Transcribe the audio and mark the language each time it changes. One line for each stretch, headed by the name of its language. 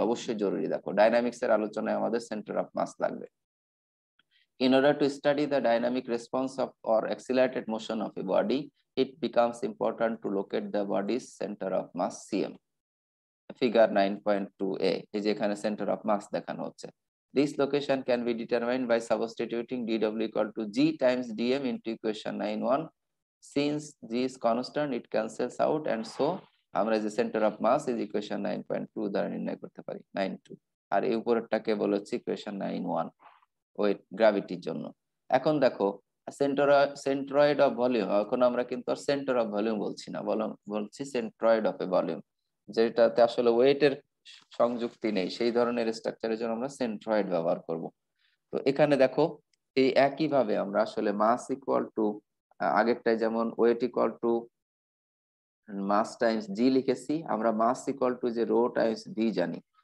Bangla: অবশ্যই জরুরি, দেখো ডাইনামিক্স এর আলোচনায় আমাদের সেন্টার অফ মাস লাগবে।
English: in order to study the dynamic response of or accelerated motion of a body it becomes important to locate the body's centre of mass CM, figure 9.2A
Bangla: এই যে এখানে centre of mass দেখানো হচ্ছে।
English: This location can be determined by substituting dw equal to g times dm into equation 9.1. Since g is constant, it cancels out and so
Bangla: আমরা যে
English: center of mass is equation 9.2
Bangla: দ্বারা নির্ণয় করতে পারি
English: 9.2,
Bangla: আর এই উপরেরটাকে বলছি
English: equation 9.1
Bangla: ওয়েট গ্র্যাভিটির জন্য। এখন দেখো সেন্ট্রয়েড অফ ভলিউম, এখন আমরা কিন্তু আর সেন্টার অফ ভলিউম বলছি না, বলছি সেন্ট্রয়েড অফ এ ভলিউম, যেটাতে আসলে ওয়েটের সংযুক্তি নেই সেই ধরনের স্ট্রাকচারের জন্য আমরা সেন্ট্রয়েড ব্যবহার করব। তো এখানে দেখো এই একইভাবে আমরা আসলে মাস ইকুয়াল টু আগেরটাই যেমন wait equal to mass Times জি লিখেছি, আমরা মাস ইকুয়াল টু যে রো টাইমস ভি জানি।